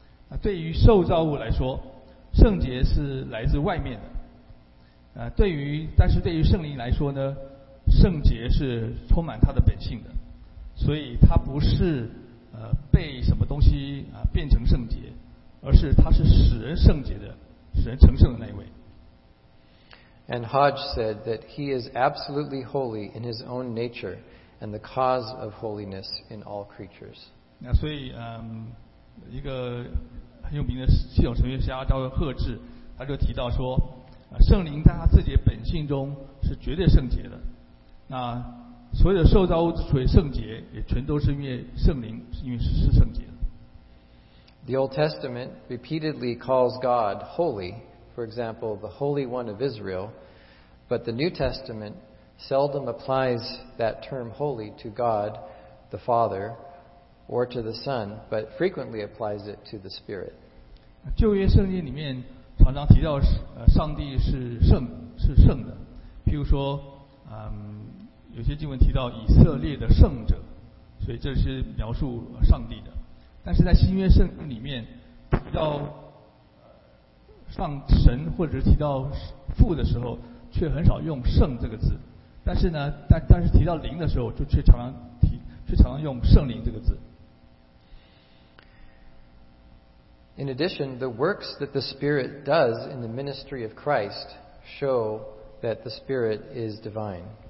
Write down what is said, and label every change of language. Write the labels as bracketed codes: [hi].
[zh] 啊，对于受造物来说，圣洁是来自外面的。啊，对于圣灵来说呢，圣洁是充满他的本性的，所以他不是被什么东西啊变成圣洁，而是他是使人圣洁的，使人成圣的那一位。 [en] And Hodge said that he is absolutely holy in his own nature and the cause of holiness in all creatures. [zh] 那所以，一个很有名的系统神学家叫做赫治，他就提到说，圣灵在他自己的本性中是绝对圣洁的。那所有的受造物之所以圣洁，也全都是因为圣灵，因为是圣洁的。 [en] The Old Testament repeatedly calls God holy. For example, the Holy One of Israel, but the New Testament seldom applies that term holy to God, the Father, or to the Son, but frequently applies it to the Spirit. [zh] 旧约圣经里面常常提到上帝是圣，是圣的。譬如说，有些经文提到以色列的圣者，所以这是描述上帝的。但是在新约圣经里面提到上神或者提到父的时候，却很少用圣这个字。但是呢，但是提到灵的时候，就却常常用圣灵这个字。 [en] In addition, the works that the Spirit does in the ministry of Christ show that the Spirit is divine.